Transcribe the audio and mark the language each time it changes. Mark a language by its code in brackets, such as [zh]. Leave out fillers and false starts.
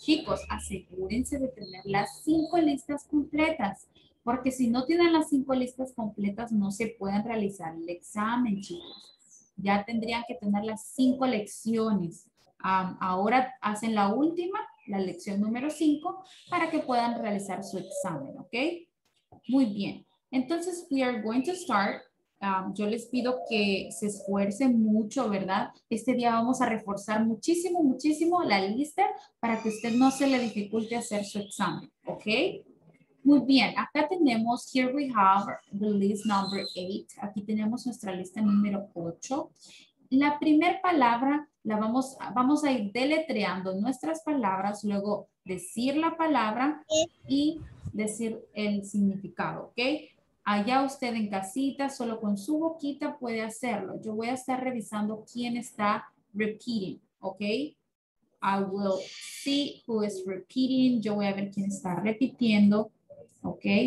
[es] Chicos, asegúrense de tener las cinco listas completas, porque si no tienen las cinco listas completas, no se pueden realizar el examen, chicos. Ya tendrían que tener las cinco lecciones. Ahora hacen la última, la lección número 5, para que puedan realizar su examen, ¿ok? Muy bien. Entonces, [en] we are going to start. [es] Yo les pido que se esfuercen mucho, ¿verdad? Este día vamos a reforzar muchísimo, muchísimo la lista para que a usted no se le dificulte hacer su examen, ¿ok? Muy bien. Acá tenemos, [en] here we have the list number 8. [es] Aquí tenemos nuestra lista número 8. La primera palabra la vamos a ir deletreando nuestras palabras, luego decir la palabra y decir el significado, ¿ok? Allá usted en casita, solo con su boquita puede hacerlo. Yo voy a estar revisando quién está repeating, ¿ok? [en] I will see who is repeating. [es] Yo voy a ver quién está repitiendo, ¿ok?